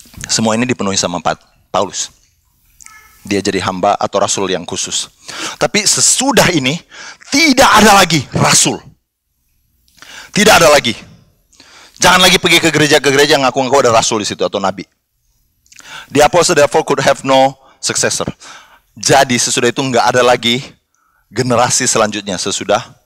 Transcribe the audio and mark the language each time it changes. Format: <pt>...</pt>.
<id>Semua ini dipenuhi sama Paulus. Dia jadi hamba atau rasul yang khusus. Tapi sesudah ini, tidak ada lagi rasul. Tidak ada lagi. Jangan lagi pergi ke gereja-gereja yang ngaku-ngaku ada rasul di situ atau nabi.</id> <en>The apostle therefore could have no successor.</en> <id>Jadi sesudah itu enggak ada lagi generasi selanjutnya sesudah.</id>